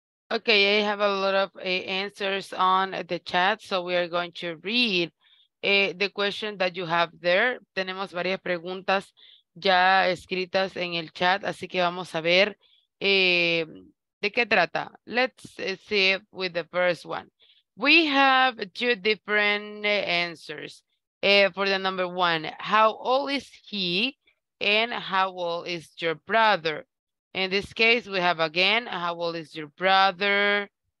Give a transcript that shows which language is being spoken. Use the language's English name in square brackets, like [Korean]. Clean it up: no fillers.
[English] Okay, I have a lot of answers on the chat, so we are going to read the question that you have there. [Spanish] Tenemos varias preguntas ya escritas en el chat, así que vamos a ver de qué trata. [English] Let's see it with the first one. We have two different answers for the number one. How old is he and how old is your brother? In this case, we have again, how old is your brother?